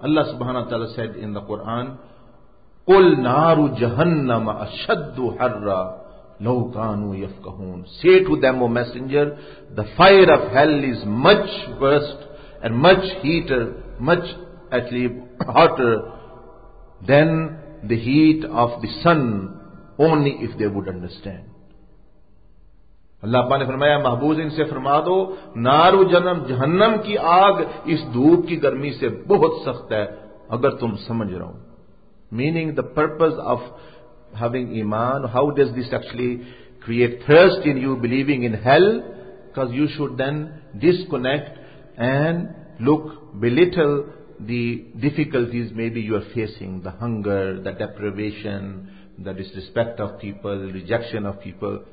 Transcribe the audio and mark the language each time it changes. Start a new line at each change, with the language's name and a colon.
English: Allah subhanahu wa ta'ala said in the Quran,
Arabic: قُلْ نَارُ جَهَنَّمَ أَشَدُّ حَرَّ لَوْ كَانُوا يَفْقَهُونَ.
English: Say to them, O Messenger, the fire of hell is much worse and much heater, much actually hotter than the heat of the sun, only if they would understand.
Urdu: Allah نے فرمایا محبوز ان سے فرما دو نار جنم جہنم کی آگ اس دھوپ کی گرمی سے بہت سخت ہے اگر تم سمجھ رہو.
English: Meaning the purpose of having iman, how does this actually create thirst in you believing in hell? Because you should then disconnect and look, belittle the difficulties maybe you are facing, the hunger, the deprivation, the disrespect of people, rejection of people.